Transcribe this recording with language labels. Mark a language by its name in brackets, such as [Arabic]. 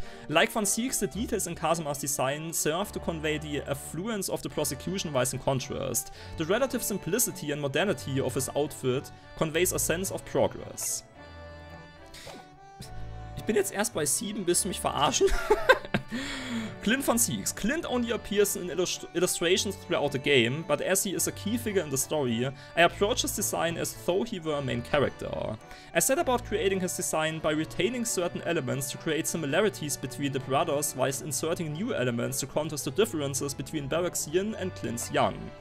[English] Like von Sieg, the details in Kazuma's design serve to convey the affluence of the prosecution whilst in contrast. The relative simplicity and modernity of his outfit conveys a sense of progress. [German] Ich bin jetzt erst bei 7, willst du mich verarschen? [English] Clint von Sieg's. Clint only appears in illustrations throughout the game, but as he is a key figure in the story, I approach his design as though he were a main character. I set about creating his design by retaining certain elements to create similarities between the brothers, whilst inserting new elements to contrast the differences between Barak's Yin and Clint's Yang.